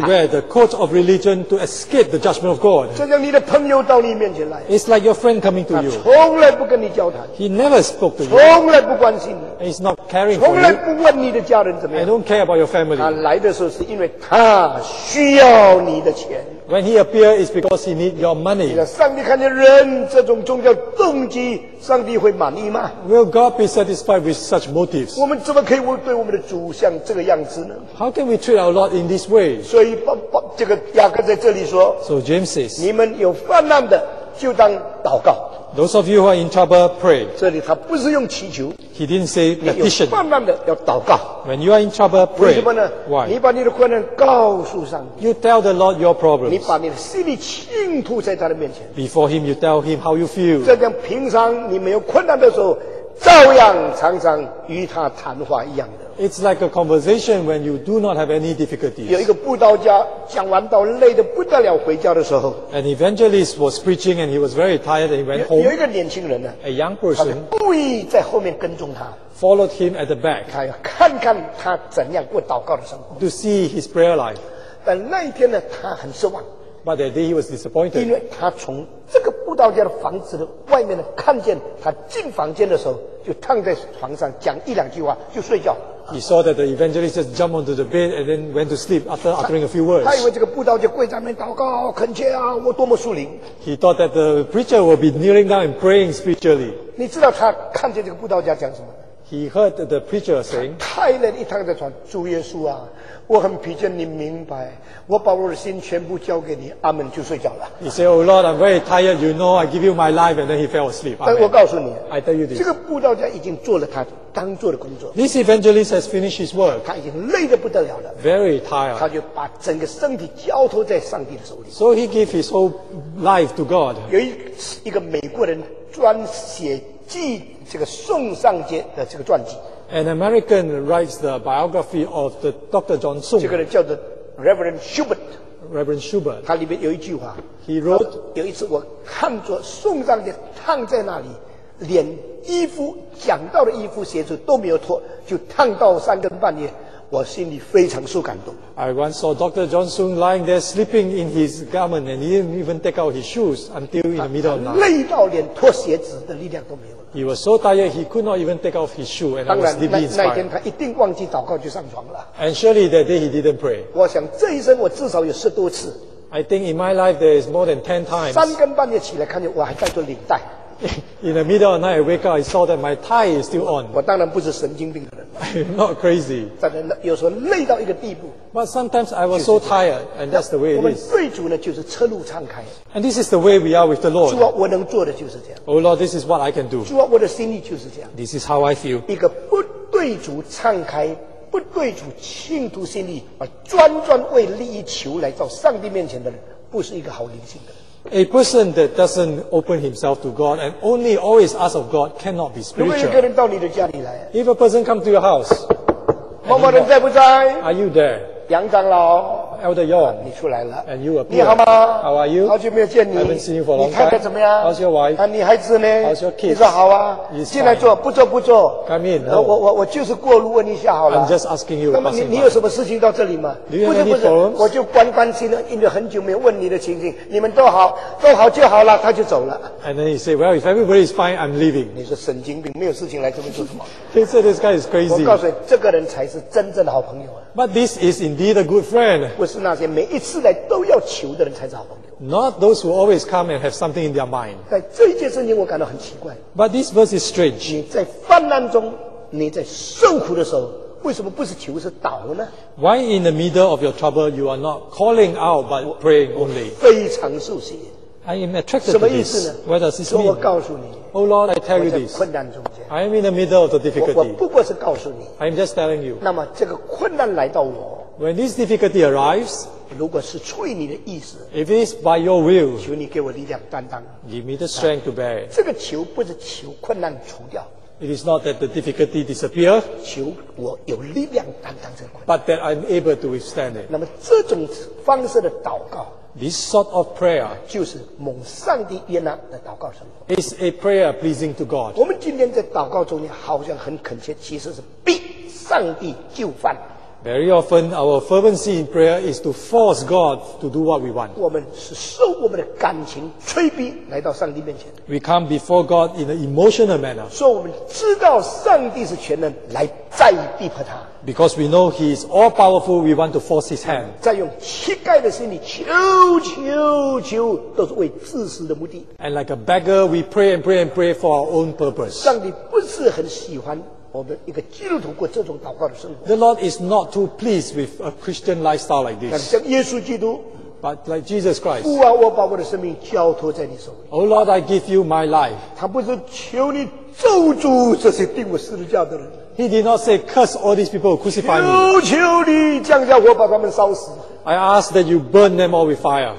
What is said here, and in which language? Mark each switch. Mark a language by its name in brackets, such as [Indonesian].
[English] We wear the coat of religion to escape the judgment of God. [Chinese] 就像你的朋友到你面前来。 [English] It's like your friend coming to you. [Chinese] 他从来不跟你交谈。 [English] He never spoke to you. [Chinese] 从来不关心你。 [English] And he's not caring for you. [Chinese] 从来不问你的家人怎么样。 [English] I don't care about your family. [Chinese] 他来的时候是因为他需要你的钱。 [English] When he appears, it's because he needs your money. [Chinese] 上帝看见人这种宗教动机，上帝会满意吗？ [English] Will God be satisfied with such motives? [Chinese] 我们怎么可以对我们的主像这个样子呢？ [English] How can we treat our Lord in this way? [Chinese] 所以这个雅各在这里说， [English] So James says, [Chinese] 你们有患难的就当祷告。 [English] Those of you who are in trouble, pray. [Chinese] 这里他不是用祈求。 [English] He didn't say petition. [Chinese] 你有患难的要祷告。 [English] When you are in trouble, pray. [Chinese] 为什么呢？ [English] Why? [Chinese] 你把你的困难告诉上帝。 [English] You tell the Lord your problems. [Chinese] 你把你的心里倾吐在他的面前。 [English] Before him, you tell him how you feel. [Chinese] 这样平常你没有困难的时候，照样常常与他谈话一样的。 [English] It's like a conversation when you do not have any difficulties. [Chinese] 有一个布道家讲完道累得不得了回家的时候， [English] An evangelist was preaching and he was very tired and he went home. [Chinese] 有一个年轻人呢， [English] A young person [Chinese] 他故意在后面跟踪他， [English] Followed him at the back. [Chinese] 他要看看他怎样过祷告的生活， [English] To see his prayer life. [Chinese] 但那一天呢，他很失望， [English] But that day he was disappointed. [Chinese] 因为他从这个布道家的房子的外面呢，看见他进房间的时候就躺在床上讲一两句话就睡觉。 [English] He saw that the evangelist just jumped onto the bed and then went to sleep after uttering a few words. [Chinese] 他以为这个布道就跪在那边祷告恳切啊，我多么属灵。 [English] He thought that the preacher would be kneeling down and praying spiritually. [Chinese] 你知道他看见这个布道家讲什么？ [English] He heard the preacher saying, [Chinese] 太累一躺在床，主耶稣啊，我很疲倦，你明白，我把我的心全部交给你，阿们，就睡着了。 [English] He said, Oh Lord, I'm very tired. You know, I give you my life, and then he fell asleep. [Chinese] 但我告诉你， [English] I tell you this, [Chinese] 这个布道家已经做了他当做的工作。 [English] This evangelist has finished his work. [Chinese] 他已经累得不得了了。 [English] Very tired. [Chinese] 他就把整个身体交托在上帝的手里。 [English] So he gave his whole life to God. [Chinese] 有一个美国人专写记这个宋尚杰的这个传记。 [English] An American writes the biography of the Dr. John Sung. [Chinese] 这个人叫做 Reverend Schubert. [English] Reverend Schubert. [Chinese] 他里面有一句话。 [English] He wrote, [Chinese] 有一次我看着宋尚杰躺在那里，连衣服讲到的衣服鞋子都没有脱，就躺到三更半夜，我心里非常受感动。 [English] I once saw Dr. John Sung lying there sleeping in his garment and he didn't even take out his shoes until in the middle of night. [Chinese] 累到连脱鞋子的力量都没有。 [English] He was so tired he could not even take off his shoe and I was deeply inspired. [Chinese] 那一天他一定忘记祷告就上床了。 [English] And surely that day he didn't pray. [Chinese] 我想这一生我至少有十多次。 [English] I think in my life there is more than 10 times. [Chinese] 三更半夜起来看见我还带着领带。 [English] In the middle of the night, I wake up, I saw that my tie is still on. [Chinese] 我当然不是神经病的人。 [English] I'm not crazy. [Chinese] 但是有时候累到一个地步。 [English] But sometimes I was so tired, and that's the way it is. [Chinese] 我们对主呢，就是车路畅开。 [English] And this is the way we are with the Lord. [Chinese] 主啊，我能做的就是这样。 [English] Oh Lord, this is what I can do. [Chinese] 主啊，我的心意就是这样。 [English] This is how I feel. [Chinese] 一个不对主畅开，不对主倾吐心意，而专专为利益求来到上帝面前的人，不是一个好灵性的人。 [English] A person that doesn't open himself to God and only always asks of God cannot be spiritual. If a person comes to your house, [Chinese] 某某人在不在? [English] Are you there? [Chinese] 杨长老, [English] Elder Yong, [Chinese] 你出来了。 [English] And you appear. [Chinese] 你好吗? [English] How are you? [Chinese] 好久没有见你。 [English] I haven't seen you for a long time. [Chinese] 你太太怎么样? [English] How's your wife? [Chinese] 啊, 你孩子呢? [English] How's your kids? [Chinese] 你说好啊。 [English] He's fine. [Chinese] 进来坐, 不坐不坐。 [English] Come in. [Chinese] 我就是过路问一下好了。 [English] I'm just asking you. [Chinese] 那么你有什么事情到这里吗? [English] Do you have any problems? [Chinese] 我就关心了，因为很久没有问你的情形。你们都好就好了，他就走了。 [English] And then he said, well, if everybody is fine, I'm leaving. [Chinese] 你说神经病，没有事情来这么做什么? [English] He said this guy is crazy. [Chinese] 我告诉你，这个人才是真正的好朋友啊。 [English] But this is indeed a good friend. [Chinese] 不是那些每一次来都要求的人才是好朋友。 [English] Not those who always come and have something in their mind. [Chinese] 但这一件事情我感到很奇怪。 [English] But this verse is strange. [Chinese] 你在患难中，你在受苦的时候，为什么不是求是祷呢？ [English] Why in the middle of your trouble you are not calling out but praying only? [Chinese] 我非常受吸引。 [English] I am attracted to this. [Chinese] 什么意思呢？ [English] What does this mean? [Chinese] 我告诉你。 [English] Oh Lord, I tell you this. [Chinese] 我在困难中间。 [English] I am in the middle of the difficulty. [Chinese] 我不过是告诉你。 [English] I am just telling you. [Chinese] 那么这个困难来到我。 [English] When this difficulty arrives, [Chinese] 如果是出于你的意思， [English] if it is by your will, [Chinese] 求你给我力量担当， [English] give me the strength to bear. [Chinese] 这个求不是求困难除掉， [English] it is not that the difficulty disappear, [Chinese] 求我有力量担当这个困难， [English] but that I'm able to withstand it. [Chinese] 那么这种方式的祷告， [English] This sort of prayer [Chinese] 就是蒙上帝悦纳的祷告生活。 [English] It's a prayer pleasing to God. [Chinese] 我们今天在祷告中好像很恳切，其实是逼上帝就范。 [English] Very often our fervency in prayer is to force God to do what we want. [Chinese] 我们是受我们的感情催逼来到上帝面前。 [English] We come before God in an emotional manner. [Chinese] 所以我们知道上帝是全能，来再逼迫他。 [English] Because we know He is all powerful, we want to force His hand. [Chinese] 再用乞丐的心里求求求，都是为自私的目的。 [English] And like a beggar, we pray and pray and pray for our own purpose. [Chinese] 上帝不是很喜欢我们一个基督徒过这种祷告的生活。 [English] The Lord is not too pleased with a Christian lifestyle like this. [Chinese] 像耶稣基督。 [English] But like Jesus Christ. [Chinese] 父啊，我把我的生命交托在你手里。 [English] Oh Lord, I give you my life. [Chinese] 他不是求你咒诅这些钉我十字架的人。 [English] He did not say, curse all these people who crucified me. [Chinese] 求求你降下火把他们烧死。 [English] I ask that you burn them all with fire.